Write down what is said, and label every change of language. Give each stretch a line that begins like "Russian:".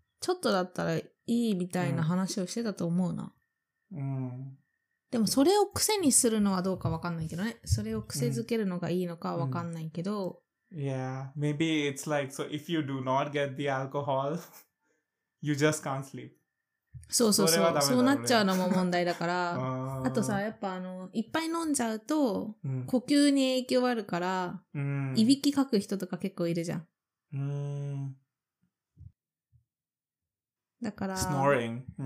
Japanese: ちょっとだったらいいみたいな話をしてたと思うな。でもそれを癖にするのはどうかわかんないけどね。それを癖づけるのがいいのかわかんないけど。
English: Yeah. Maybe it's like, so if you do not get the alcohol, you just can't sleep.
Japanese: そうそうそう、ね、そうなっちゃうのも問題だから あとさやっぱいっぱい飲んじゃうと呼吸に影響あるから、うん、いびきかく人とか結構いるじゃん、だから
English: snoring、